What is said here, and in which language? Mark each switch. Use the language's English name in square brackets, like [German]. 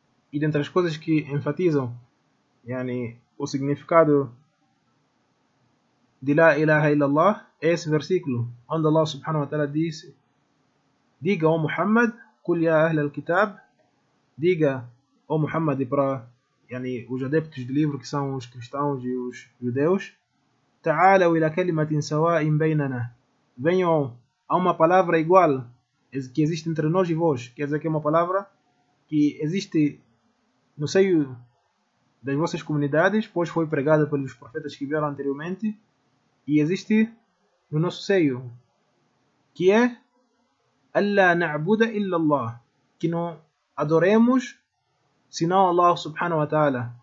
[Portuguese] E dentre as coisas que enfatizam yani, o significado de La ilaha illallah é esse versículo onde Allah subhanahu wa ta'ala disse: Diga ao Muhammad, [Arabic] Kul ya ahl al-kitab, [Portuguese] diga ao Muhammad para yani, os adeptos do livro que são os cristãos e os judeus. [Arabic] تعالوا إلى كلمة سواء بيننا. [Portuguese] Venham a uma palavra igual que existe entre nós e vós. Quer dizer que é uma palavra que existe no seio das vossas comunidades, pois foi pregada pelos profetas que vieram anteriormente, e existe no nosso seio, que é [Arabic] Allah na'buda illa Allah, [Portuguese] que não adoremos senão Allah subhanahu wa ta'ala.